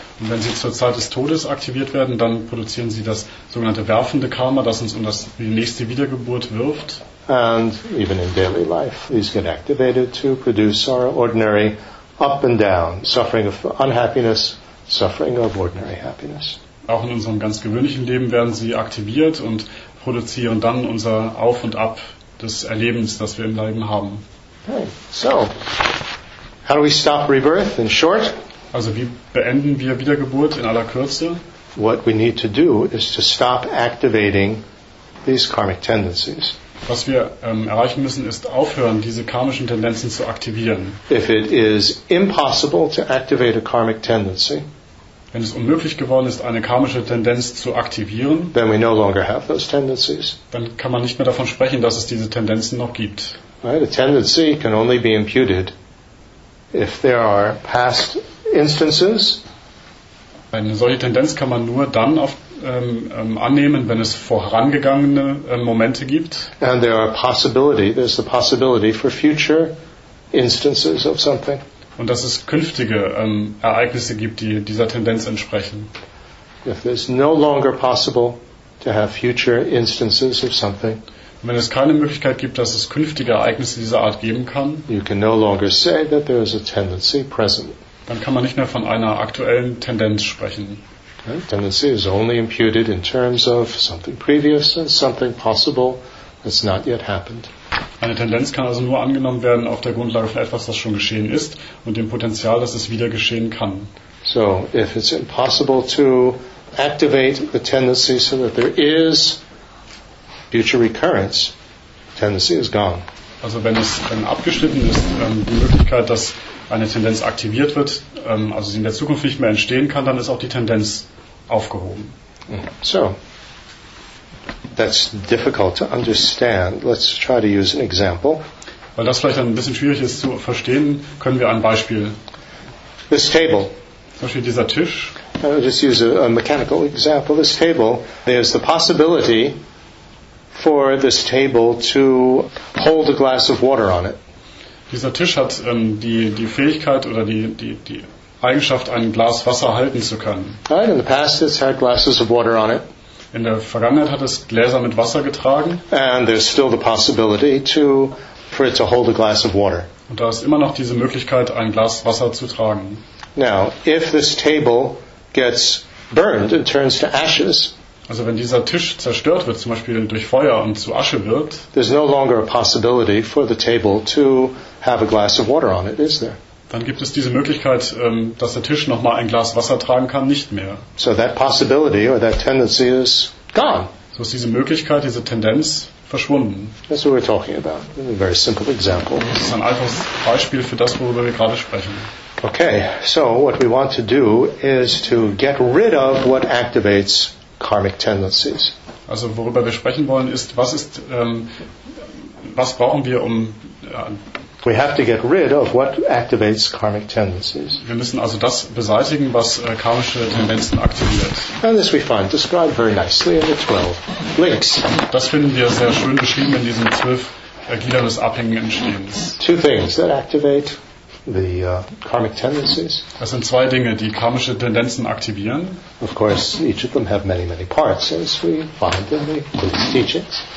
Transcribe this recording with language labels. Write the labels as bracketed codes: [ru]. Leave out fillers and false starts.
[de] Und wenn sie zur Zeit des Todes aktiviert werden, dann produzieren sie das sogenannte werfende Karma, das uns um das die nächste Wiedergeburt wirft. [en] And even in daily life, these get activated to produce our ordinary up and down, suffering of unhappiness, suffering of ordinary happiness. [de] Auch in unserem ganz gewöhnlichen Leben werden sie aktiviert und produzieren dann unser Auf und Ab des Erlebens, das wir im Leben haben. [en] Okay, so, how do we stop rebirth in short? [de] Also wie beenden wir Wiedergeburt in aller Kürze? [en] What we need to do is to stop activating these karmic tendencies. [de] Was wir erreichen müssen, ist aufhören, diese karmischen Tendenzen zu aktivieren. [en] If it is impossible to activate a karmic tendency, [de] wenn es unmöglich geworden ist, eine karmische Tendenz zu aktivieren, [en] then we no longer have those tendencies. [de] Dann kann man nicht mehr davon sprechen, dass es diese Tendenzen noch gibt. [en] Right? A tendency can only be imputed if there are past instances. [de] Eine solche Tendenz kann man nur dann annehmen, wenn es vorangegangene Momente gibt. [en] And there are possibility, there's the possibility for future instances of something. [de] Und dass es künftige Ereignisse gibt, die dieser Tendenz entsprechen. [en] If it's no longer possible to have future instances of something. [de] Wenn es keine Möglichkeit gibt, dass es künftige Ereignisse dieser Art geben kann, [en] you can no longer say that there is a tendency present. [de] Dann kann man nicht mehr von einer aktuellen Tendenz sprechen. [en] Tendency is only imputed in terms of something previous and something possible that's not yet happened. [de] Eine Tendenz kann also nur angenommen werden auf der Grundlage von etwas, das schon geschehen ist und dem Potenzial, dass es wieder geschehen kann. [en] So, if it's impossible to activate the tendency so that there is future recurrence, tendency is gone. [de] Also wenn es dann abgeschnitten ist, die Möglichkeit, dass eine Tendenz aktiviert wird, also sie in der Zukunft nicht mehr entstehen kann, dann ist auch die Tendenz aufgehoben. [en] So, that's difficult to understand. Let's try to use an example. [de] Weil das vielleicht ein bisschen schwierig ist zu verstehen, können wir ein Beispiel. [en] This table. [de] Zum Beispiel dieser Tisch. [en] I'll just use a mechanical example. This table, there's the possibility for this table to hold a glass of water on it. [de] Dieser Tisch hat die Fähigkeit oder die Eigenschaft, ein Glas Wasser halten zu können. [en] Right, in the past it's had glasses of water on it. [de] In der Vergangenheit hat es Gläser mit Wasser getragen. [en] And there's still the possibility for it to hold a glass of water. [de] Und da ist immer noch diese Möglichkeit, ein Glas Wasser zu tragen. [en] Now, if this table gets burned and turns to ashes, [de] also wenn dieser Tisch zerstört wird, zum Beispiel durch Feuer und zu Asche wird, [en] there's no longer a possibility for the table to have a glass of water on it, is there? [de] Dann gibt es diese Möglichkeit, dass der Tisch noch mal ein Glas Wasser tragen kann, nicht mehr. [en] So that possibility or that tendency is gone. [de] So ist diese Möglichkeit, diese Tendenz verschwunden. [en] That's what we're talking about. A very simple example. [de] Das ist ein einfaches Beispiel für das, worüber wir gerade sprechen. [en] Okay, so what we want to do is to get rid of what activates karmic tendencies. [de] Also worüber wir sprechen wollen ist, was ist, was brauchen wir, um [en] we have to get rid of what activates karmic tendencies. [de] Wir müssen also das beseitigen, was karmische Tendenzen aktiviert. [en] And this we find described very nicely in the 12 links. [de] Das finden wir sehr schön beschrieben in diesen 12 Gliedern des abhängigen Entstehens. [en] Two things that activate the karmic tendencies. [de] Das sind zwei Dinge, die karmische Tendenzen aktivieren. [en] Of course, each of them have many, many parts, as we find in the Buddhist teachings.